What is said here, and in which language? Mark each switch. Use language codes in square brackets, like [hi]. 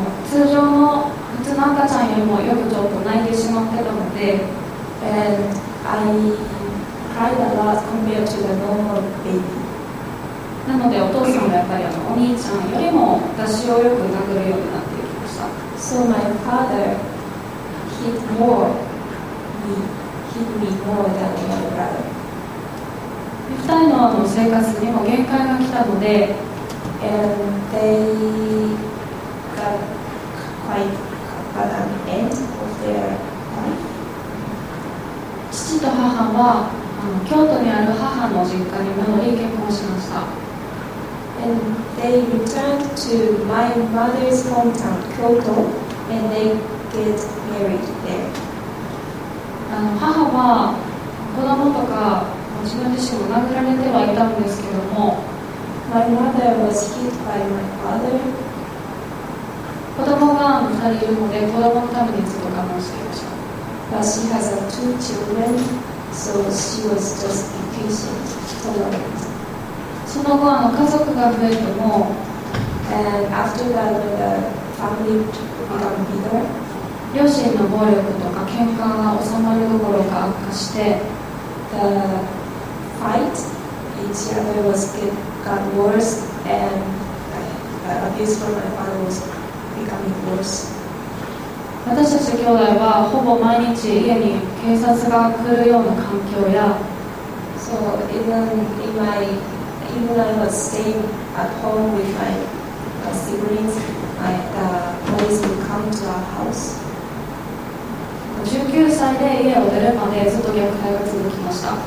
[ja] 通常の普通の赤ちゃんよりもよくちょっと泣いてしまってたので [en] And I cried a lot compared to the normal baby. [ja] なのでお父さんもやっぱりお兄ちゃんよりも私をよく殴るようになっていきました。 [en] So my father hit more me, hit me more than my brother. [ja] 二人の生活にも限界が来たので、 [en] And they got quite at an end of their life. [ja] 父と母は京都にある母の実家に戻り結婚しました。 [en] And they returned to my mother's hometown, Kyoto, and they get married there. [ja] 母は子供とか自分自身も殴られてはいたんですけども、 [en] My mother was hit by my father. [ja] 子供が二人いるので、子供のためにずっと我慢していました。 [en] But she has two children, so she was just impatient for them. [ja] その後家族が増えても [en] And after that, the family became bigger. [ja] 両親の暴力とか喧嘩が収まるどころか悪化して [en] The fight each other was got worse and the abuse from my father was becoming worse. [ja] 私たち兄弟はほぼ毎日家に警察が来るような環境や [en] So even in myEven I was staying at home with my siblings, the police would come to our house. [ja] 19歳で家を出るまでずっと虐待が続きました。